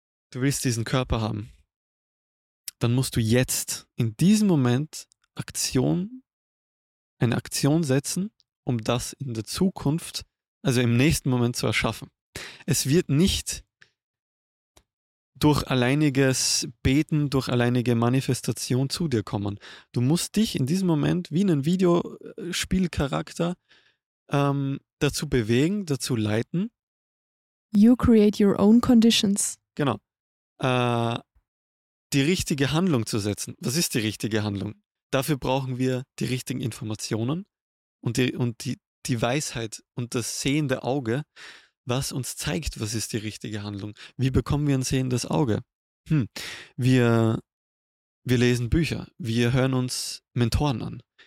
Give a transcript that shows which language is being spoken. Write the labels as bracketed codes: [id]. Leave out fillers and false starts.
[de] Du willst diesen Körper haben. Dann musst du jetzt, in diesem Moment, eine Aktion setzen, um das in der Zukunft, also im nächsten Moment zu erschaffen. Es wird nicht durch alleiniges Beten, durch alleinige Manifestation zu dir kommen. Du musst dich in diesem Moment wie einen Videospielcharakter dazu bewegen, dazu leiten. [en] You create your own conditions. [de] Genau. Die richtige Handlung zu setzen. Was ist die richtige Handlung? Dafür brauchen wir die richtigen Informationen und die Weisheit und das sehende Auge, was uns zeigt, was ist die richtige Handlung. Wie bekommen wir ein sehendes Auge? Wir lesen Bücher, wir hören uns Mentoren an.